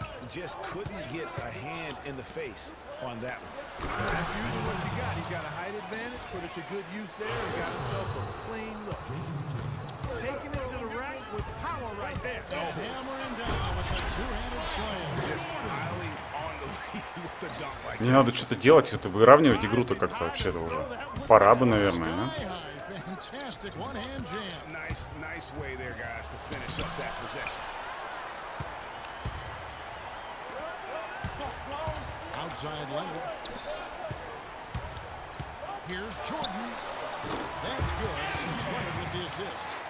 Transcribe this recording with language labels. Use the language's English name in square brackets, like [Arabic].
[English] Just couldn't get a hand in the face on that one. That's usually what you got. He's got a height advantage, put it to good use there, and got himself a clean look. Jason's kidding. Taking it to the rack with power right there. Oh. Hammering down with a two-handed slam. Just piling on the lead with the dunk. [Russian] Не надо что-то делать, это выравнивать игру-то как-то вообще-то уже. Пора бы, наверное, да? [English] Fantastic one-hand jam. Nice way there, guys, to finish up that possession. Outside level. Here's Jordan. That's good. He's running with the assist.